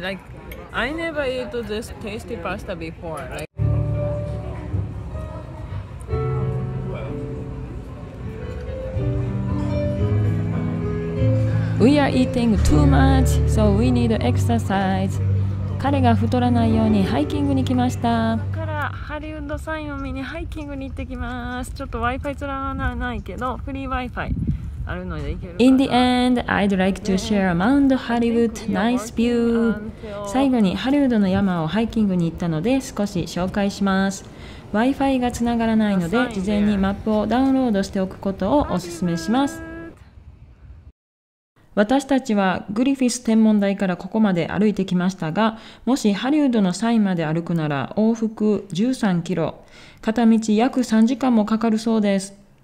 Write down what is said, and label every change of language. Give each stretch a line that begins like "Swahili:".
English: Like, I never eat this tasty pasta before. Like, we are eating too much, so we need exercise.
Japanese: 彼が太らないようにハイキングに来ました。ここからハリウッドサインを見にハイキングに行ってきます。ちょっと Wi-Fi つながらないけどフリー Wi-Fi あるので行けるかな。
English: In the end, I'd like to share Mount Hollywood nice view.
Japanese: 最後にハリウッドの山をハイキングに行ったので少し紹介します。 Wi-Fi がつながらないので事前にマップをダウンロードしておくことをおすすめします。私たちはグリフィス天文台からここまで歩いてきましたが、もしハリウッドのサインまで歩くなら往復13キロ、片道約3時間もかかるそうです。